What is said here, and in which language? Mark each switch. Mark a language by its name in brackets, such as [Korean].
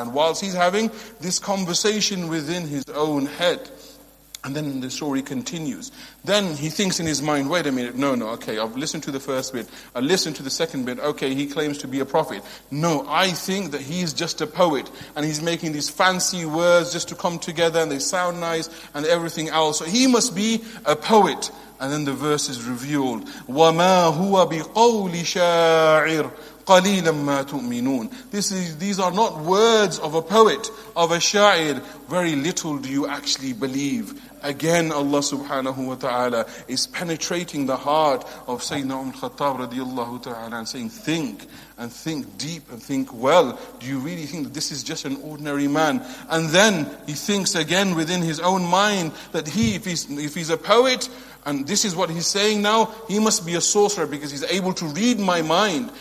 [English] And whilst he's having this conversation within his own head, and then the story continues. Then he thinks in his mind, wait a minute, no, okay, I've listened to the first bit, I listened to the second bit, okay, he claims to be a prophet. No, I think that he is just a poet, and he's making these fancy words just to come together, and they sound nice, and everything else. So he must be a poet. And then the verse is revealed, [Arabic] وَمَا هُوَ بِقَوْلِ شَاعِرٍ قَلِيلًا مَا تُؤْمِنُونَ. [English] These are not words of a poet, of a sha'ir. Very little do you actually believe. Again, Allah subhanahu wa ta'ala is penetrating the heart of Sayyidina Umar al-Khattab radiyallahu ta'ala and saying, think, and think deep, and think well. Do you really think that this is just an ordinary man? And then he thinks again within his own mind that if he's a poet, and this is what he's saying now, he must be a sorcerer because he's able to read my mind.